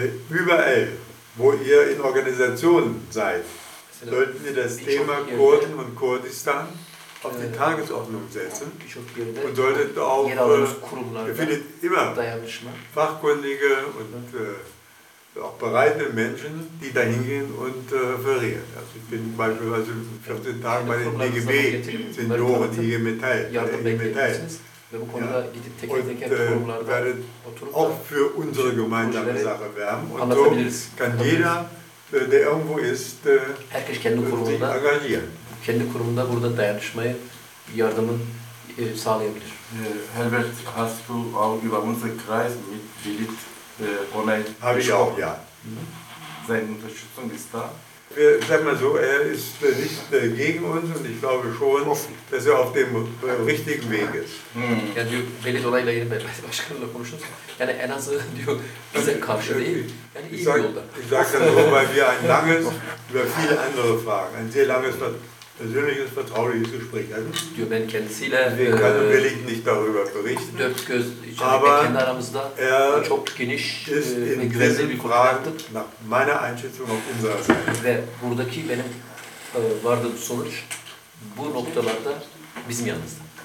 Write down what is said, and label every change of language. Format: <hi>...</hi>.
<de>überall, wo ihr in Organisationen seid, sollten wir das Thema Kurden und Kurdistan auf die Tagesordnung setzen und solltet auch, ihr findet immer fachkundige und auch bereite Menschen, die da hingehen und referieren. Also ich bin beispielsweise 14 Tage bei den DGB-Senioren, IG Metall, werdet auch für unsere gemeinsame Sache werben und so kann jeder der irgendwo ist,</de> <tr>herkes kendi kurumunda, kendi kurumunda burada dayanışmayı, yardımın sağlayabilir.</tr> <de>Herbert, hast du auch über unseren Kreis mit Willit Onel? Habe ich auch, ja. Seine Unterstützung ist da. Wir, sag mal so, er ist nicht gegen uns und ich glaube schon, dass er auf dem richtigen Weg ist.</de> <tr>Ja, diyor, Velid Olay'la yeni başkanla konuşuruz. Yani en azı diyor, bize karşı değil, yani iyi bir yolda.</tr> <de>Ich sage das nur, weil wir ein langes, über viele andere Fragen, ein sehr langes, persönliches, vertrauliches Gespräch hatten.</de> <tr>Diyor, ben kendisiyle...</tr> <de>Wir können Velid nicht darüber berichten.</de> <tr>Dört göz,</tr> <de>ich habe</de> <tr>kendi aramızda çok geniş ve güvenli bir konu yaptık.</tr> <de>Nach meiner Einschätzung auf unserer Seite.</de> <tr>Ve buradaki benim vardığım sonuç, bu noktalarda bizim yanımızda.</tr>